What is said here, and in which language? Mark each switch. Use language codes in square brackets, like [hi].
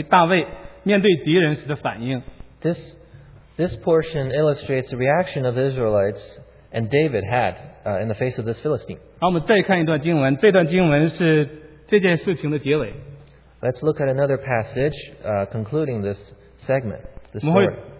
[zh] 这一段是描写以色列众人与大卫面对敌人时的反应。 [en] This portion illustrates the reaction of the Israelites and David had in the face of this Philistine. [zh] 好，我们再看一段经文，这段经文是这件事情的结尾。 [en] Let's look at another passage concluding this segment, this story.